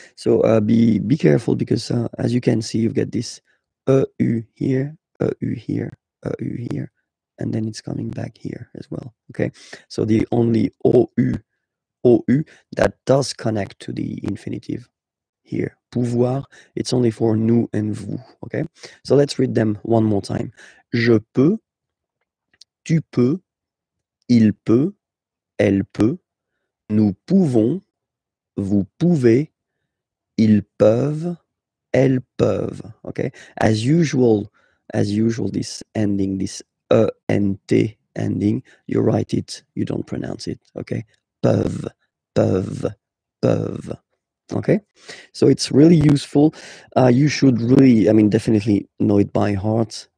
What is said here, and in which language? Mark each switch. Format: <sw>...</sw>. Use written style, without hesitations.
<en>So be careful because as you can see, you've got this E-U here, E-U here, E-U here, and then it's coming back here as well, okay. So the only O-U, O-U, that does connect to the infinitive here, pouvoir, it's only for nous and vous, okay. So let's read them one more time.</en> <fr>Je peux, tu peux, il peut, elle peut, nous pouvons, vous pouvez, ils peuvent, elles peuvent, okay.</fr> <en>As usual, this ending, this E-N-T ending, you write it, you don't pronounce it, okay. Peuvent. Okay, so it's really useful. You should really, I mean, definitely know it by heart.</en>